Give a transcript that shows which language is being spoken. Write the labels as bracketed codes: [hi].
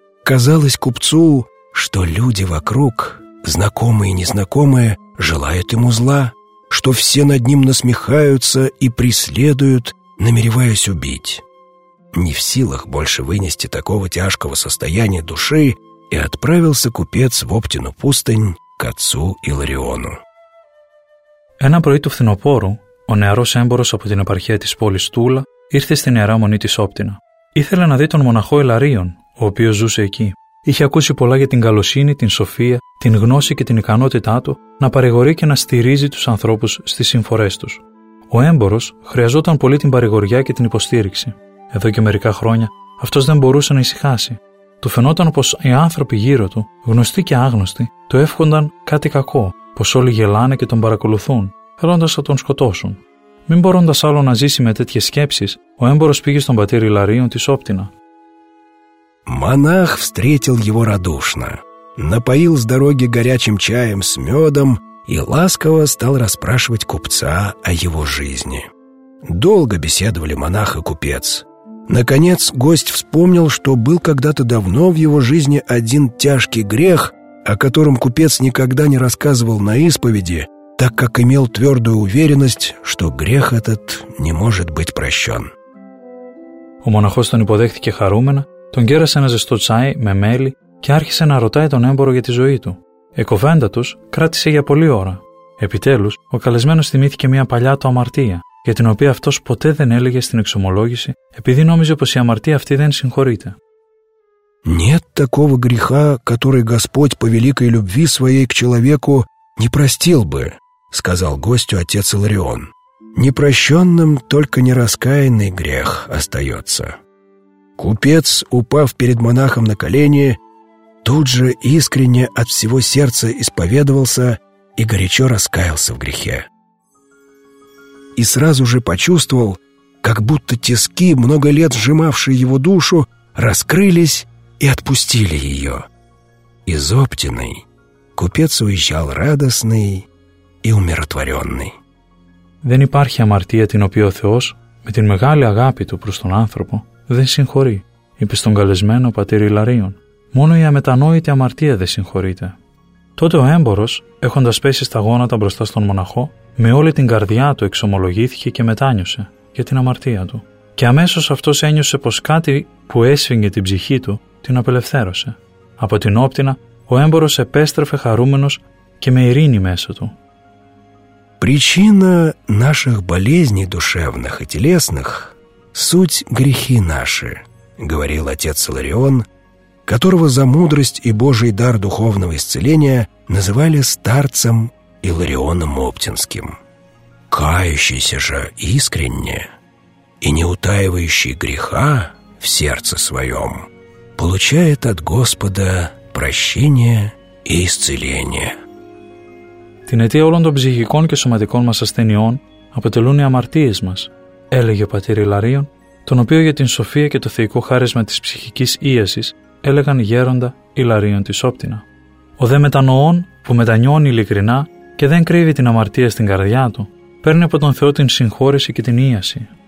[ru] Казалось купцу, что люди вокруг, знакомые и незнакомые, желают ему зла, что все над ним насмехаются и преследуют, намереваясь убить. Не в силах больше вынести такого тяжкого состояния души, и отправился купец в Оптину пустынь к отцу Илариону. [el] Ένα πρωί του φθινοπόρου, ο νεαρός έμπορος από την επαρχία της πόλης Τούλα ήρθε στην ιερά μονή της Όπτινα. Ήθελε να δει τον μοναχό Ιλαρίον, ο οποίος ζούσε εκεί. Είχε ακούσει πολλά για την καλοσύνη, την σοφία, την γνώση και την ικανότητά του να παρηγορεί και να στηρίζει τους ανθρώπους στις συμφορές τους. Ο έμπορος χρειαζόταν πολύ την παρηγοριά και την υποστήριξη. Εδώ και μερικά χρόνια αυτός δεν μπορούσε να ησυχάσει. Του φαινόταν πως οι άνθρωποι γύρω του, γνωστοί και άγνωστοι, του εύχονταν κάτι κακό, πως όλοι γελάνε και τον παρακολουθούν, θέλοντας να τον σκοτώσουν. Μην μπορώντας άλλο να ζήσει με τέτοιες σκέψεις, ο έμπορος πήγε στον πατήρ Ιλαρίον της Όπτινα. [ru] Монах встретил его радушно, напоил с дороги горячим чаем с медом и ласково стал расспрашивать купца о его жизни. Долго беседовали монах и купец. Наконец гость вспомнил, что был когда-то давно в его жизни один тяжкий грех, о котором купец никогда не рассказывал на исповеди, так как имел твердую уверенность, что грех этот не может быть прощен. У монахов [el] тон υποδέχθηκε χαρούμενα, τον κέρασε ένα ζεστό τσάι με μέλι και άρχισε να ρωτάει τον έμπορο για τη ζωή του. Η κοβέντα τους κράτησε για πολλή ώρα. Επιτέλους, ο καλεσμένος θυμήθηκε μια παλιά του αμαρτία, για την οποία αυτός ποτέ δεν έλεγε στην εξομολόγηση, επειδή νόμιζε πως η αμαρτία αυτή δεν συγχωρείται. [ru] «Нет такого греха, который Господь по великой любви своей к человеку не простил бы», сказал гостю отец Иларион. «Непрощенным только нераскаянный грех остается». Купец, упав перед монахом на колени, тут же искренне от всего сердца исповедовался и горячо раскаялся в грехе. И сразу же почувствовал, как будто тиски, много лет сжимавшие его душу, раскрылись и отпустили ее. Из Оптиной купец уезжал радостный и умиротворенный. [el] Δεν υπάρχει αμαρτία την οποία ο Θεός, με την μεγάλη αγάπη του προς τον άνθρωπο, δεν συγχωρεί, είπε στον καλεσμένο πατήρ Ιλαρίον. Μόνο η αμετανόητη αμαρτία δεν συγχωρείται. Τότε ο έμπορος, έχοντας πέσει στα γόνατα μπροστά στον μοναχό, με όλη την καρδιά του εξομολογήθηκε και μετάνιωσε για την αμαρτία του. Και αμέσως αυτός ένιωσε πως κάτι που έσφιγγε την ψυχή του την απελευθέρωσε. Από την όπτινα, ο έμπορος επέστρεφε χαρούμενος και με ειρήνη μέσα του. [ru] Причина наших болезней душевных и телесных – суть грехи наши, говорил отец Иларион, которого за мудрость и Божий дар духовного исцеления называли старцем Иларионом Оптинским. Кающийся же искренне и не утаивающий греха в сердце своем получает от Господа прощение и исцеление. [el] Την αιτία όλων των ψυχικών και σωματικών μας ασθενειών αποτελούν οι αμαρτίες μας, έλεγε ο πατήρ Ιλαρίων, τον οποίο για την σοφία και το θεϊκό χάρισμα της ψυχικής ίασης έλεγαν γέροντα Ιλαρίων της Όπτινα. Ο δε μετανοών που μετανιώνει ειλικρινά και δεν κρύβει την αμαρτία στην καρδιά του, παίρνει από τον Θεό την συγχώρεση και την ίαση.